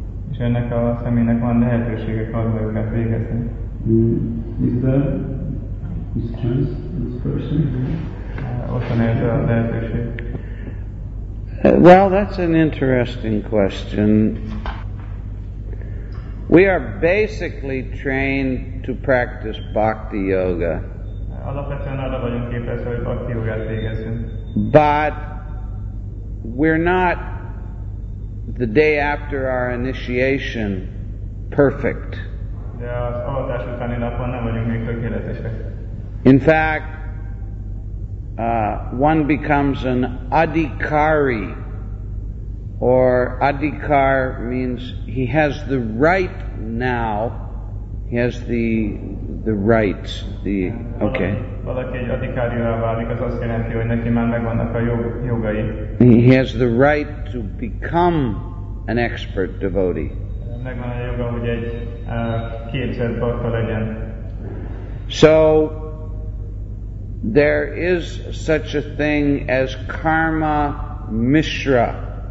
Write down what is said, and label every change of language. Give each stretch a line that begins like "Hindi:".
Hungarian: És ennek a személynek van lehetősége karma yogát végezni.
English: Is there this chance, this person?
Hungarian: Ott van ez a lehetőség.
English: Well, that's an interesting question. We are basically trained to practice bhakti yoga.
Hungarian: Alapvetően arra vagyunk képezve, hogy bhakti yogát végezzünk.
English: But we're not the day after our initiation perfect.
Hungarian: De az avatás utáni napon nem vagyunk még tökéletesek.
English: In fact, one becomes an adhikari. Or adhikar means he has the right now. He has the rights. The okay.
Hungarian: Valaki egy adhikárivá válik, az azt jelenti, hogy neki már megvannak a jogai.
English: He has the right to become an expert devotee.
Hungarian: Megvan a joga, hogy egy képzett bhakta legyen.
English: So there is such a thing as karma mishra.